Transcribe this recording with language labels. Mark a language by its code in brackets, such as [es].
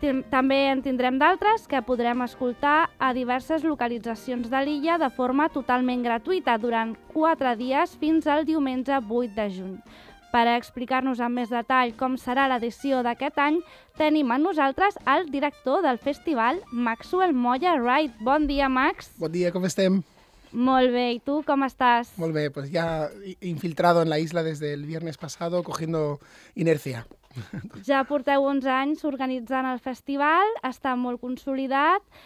[ca] També en tindrem d'altres que podrem escoltar a diverses localitzacions de l'illa de forma totalment gratuïta durant 4 dies fins al diumenge 8 de juny. Per explicar-nos amb més detall com serà l'edició d'aquest any, tenim a nosaltres el director del festival, Maxwell Moya Wright. Bon dia, Max. Bon dia, com estem? Molt bé, i tu com estàs? Molt bé, [es] pues ya infiltrado en la isla desde el viernes pasado, cogiendo inercia. [ca] Ja porteu uns anys organitzant el festival, està molt consolidat.